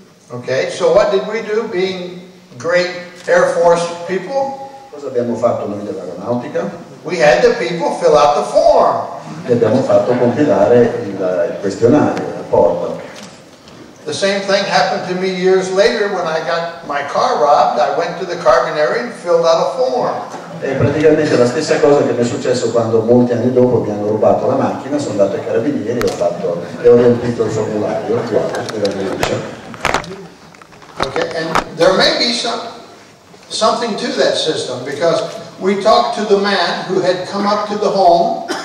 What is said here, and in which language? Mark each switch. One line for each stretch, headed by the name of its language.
English: Okay, so what did we do, being great Air Force people?
Italian: Cosa abbiamo fatto noi dell'aeronautica?
English: We had the people fill out the form.
Italian: E abbiamo fatto compilare il questionario, il rapporto.
English: The same thing happened to me years later when I got my car robbed. I went to the carabinieri and filled out a form.
Italian: È praticamente la stessa cosa che mi è successo quando molti anni dopo mi hanno rubato la macchina, sono andato ai carabinieri e ho riempito il formulario della denuncia.
English: Okay, and there may be something to that system, because we talked to the man who had come up to the home.